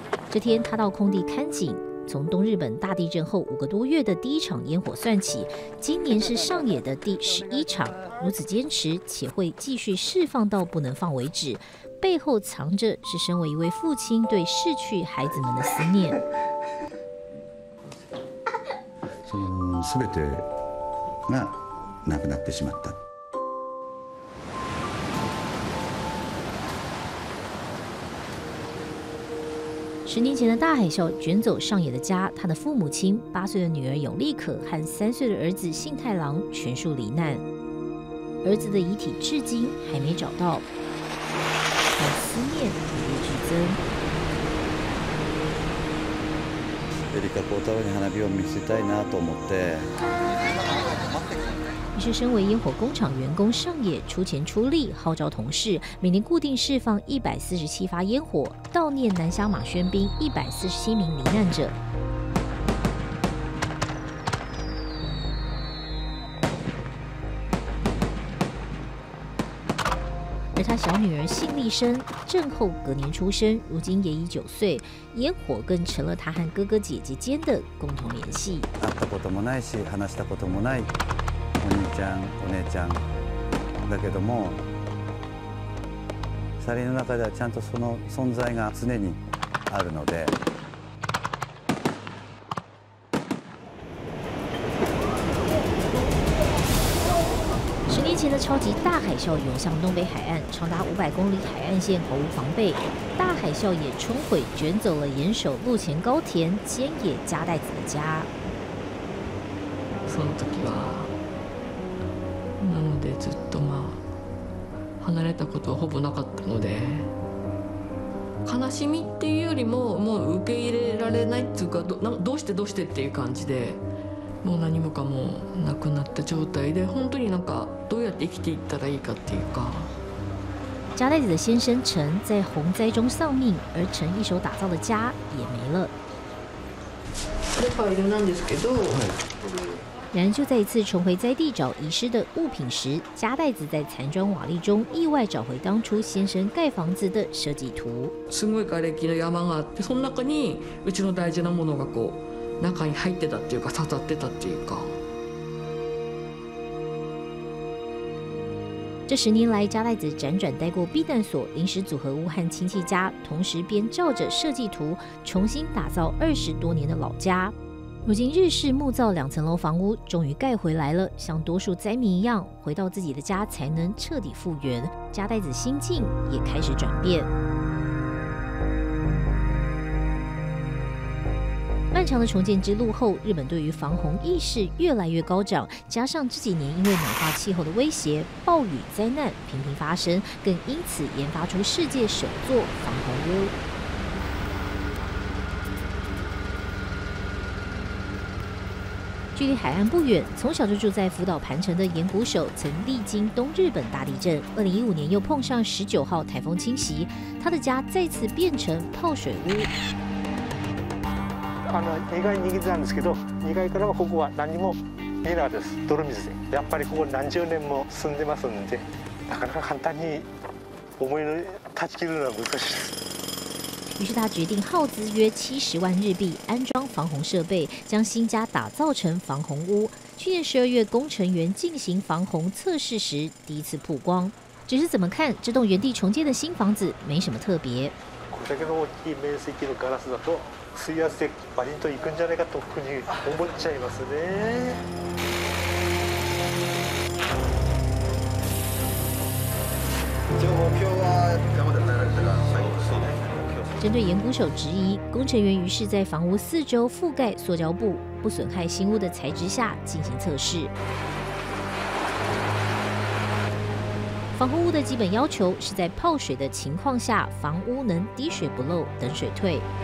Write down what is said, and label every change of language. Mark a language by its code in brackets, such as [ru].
[zh] 这天他到空地看景，从东日本大地震后五个多月的第一场烟火算起，今年是上野的第11场，如此坚持且会继续释放到不能放为止，背后藏着是身为一位父亲对逝去孩子们的思念。 [ja] すべてがなくなってしまった。 [zh] 十年前的大海啸卷走上野的家，他的父母亲、8岁的女儿有利可和3岁的儿子信太郎全数罹难，儿子的遗体至今还没找到，但思念与日俱增。 [ja] エリカ光太郎に花火を見せたいなと思って。 [zh] 于是身为烟火工厂员工上野出钱出力号召同事，每年固定释放147发烟火悼念南乡马宣兵147名罹难者。而他小女儿信丽生震后隔年出生，如今也已9岁，烟火更成了他和哥哥姐姐间的共同联系。 [ja] 会ったこともないし話したこともない。お兄ちゃん、お姉ちゃんだけども、サリの中ではちゃんとその存在が常にあるので。 [zh] 十年前的超级大海啸涌向东北海岸，长达500公里海岸线毫无防备，大海啸也冲毁、卷走了岩手陆前高田兼野加代子的家。 [ja] その時は。なのでずっとまあ離れたことはほぼなかったので悲しみっていうよりももう受け入れられないっていうか どうしてっていう感じでもう何もかもなくなった状態で本当になんかどうやって生きていったらいいかっていうか。 [zh] 加代子的先生陈在洪灾中丧命，而陈一手打造的家也没了。 [ja] でファイルなんですけど。 [zh] 然就在一次重回灾地找遗失的物品时，加代子在残砖瓦砾中意外找回当初先生盖房子的设计图。 [ja] すごい瓦礫の山があって、その中にうちの大事なものがこう中に入ってたっていうか刺さってたっていうか。 [zh] 这十年来，加代子辗转待过避难所、临时组合屋和亲戚家，同时编照着设计图重新打造20多年的老家。如今日式木造2层楼房屋终于盖回来了，像多数灾民一样回到自己的家才能彻底复原，加代子心境也开始转变。漫长的重建之路后，日本对于防洪意识越来越高涨，加上这几年因为暖化气候的威胁，暴雨灾难频频发生，更因此研发出世界首座防洪屋。距离海岸不远，从小就住在福岛盘城的岩谷守曾历经东日本大地震，2015年又碰上19号台风侵袭，他的家再次变成泡水屋。 [ja] 2回握ってたんですけど、2回からはここは何も見えなかったです。泥水で。やっぱりここ何十年も住んでますんで、なかなか簡単に思いの断ち切るのは難しいです。 [zh] 于是他决定耗资约70万日币安装防洪设备，将新家打造成防洪屋。去年12月，工程员进行防洪测试时第一次曝光。只是怎么看，这栋原地重建的新房子没什么特别。 [ja] これだけの大きい面積のガラスだと水圧でバリンと行くんじゃないかと僕に思っちゃいますね。一応目標は山で耐えられたら最高ですね。 [zh] 针对岩谷手质疑，工程员于是在房屋四周覆盖塑胶布，不损害新屋的材质下进行测试。防洪屋的基本要求是在泡水的情况下，房屋能滴水不漏，等水退。